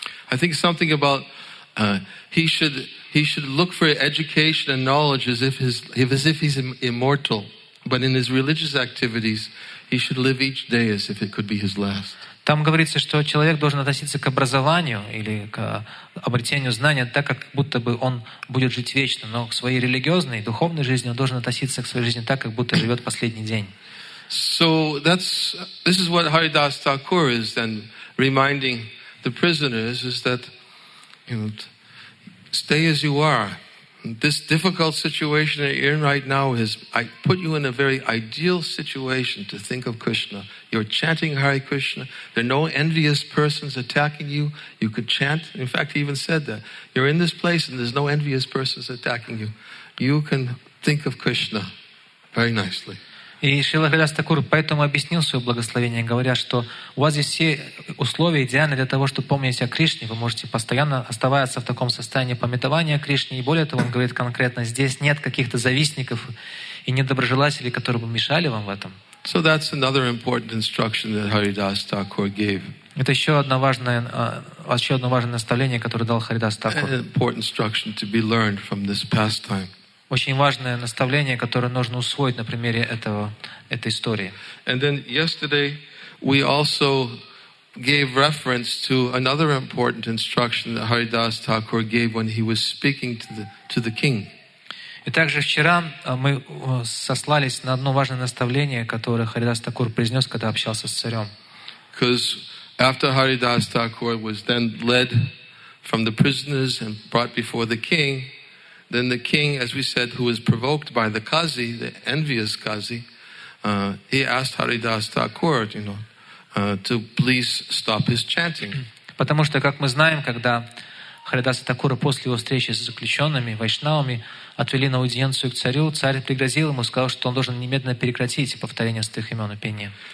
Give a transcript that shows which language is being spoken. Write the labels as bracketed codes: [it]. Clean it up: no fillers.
[en] I think something about he should look for education and knowledge as if he's immortal, but in his religious activities he should live each day as if it could be his last. [ru] Там говорится, что человек должен относиться к образованию или к обретению знания так, как будто бы он будет жить вечно, но к своей религиозной и духовной жизни он должен относиться к своей жизни так, как будто живет последний день. [en] So this is what Haridas Thakur is then reminding the prisoners is that stay as you are. This difficult situation that you're in right now is I put you in a very ideal situation to think of Krishna. You're chanting Hare Krishna. There are no envious persons attacking you. You could chant. In fact, he even said that. You're in this place and there's no envious persons attacking you. You can think of Krishna very nicely. [ru] И Шрила Харидас Такур поэтому объяснил свое благословение, говоря, что у вас здесь все условия идеальны для того, чтобы помнить о Кришне. Вы можете постоянно оставаться в таком состоянии памятования о Кришне. И более того, он говорит конкретно, здесь нет каких-то завистников и недоброжелателей, которые бы мешали вам в этом. [en] So that's another important instruction that Haridas Thakur gave. [ru] Это еще одно важное наставление, которое дал Харидас Такур. [en] An important instruction to be learned from this pastime. [ru] Очень важное наставление, которое нужно усвоить на примере этой истории. [en] And then yesterday we also gave reference to another important instruction that Haridas Thakur gave when he was speaking to the king. [ru] И также вчера мы сослались на одно важное наставление, которое Харидас Такур произнес, когда общался с царем. [en] Because after Haridas Thakur was then led from the prisoners and brought before the king, then the king, as we said, who was provoked by the qazi, the envious qazi, he asked Haridas Thakur, to please stop his chanting. [ru] Потому что, как мы знаем, когда Харидаса Такура после его встречи с заключенными, вайшнавами, отвели на аудиенцию к царю, царь пригрозил ему, сказал, что он должен немедленно прекратить повторение святых имен и пение.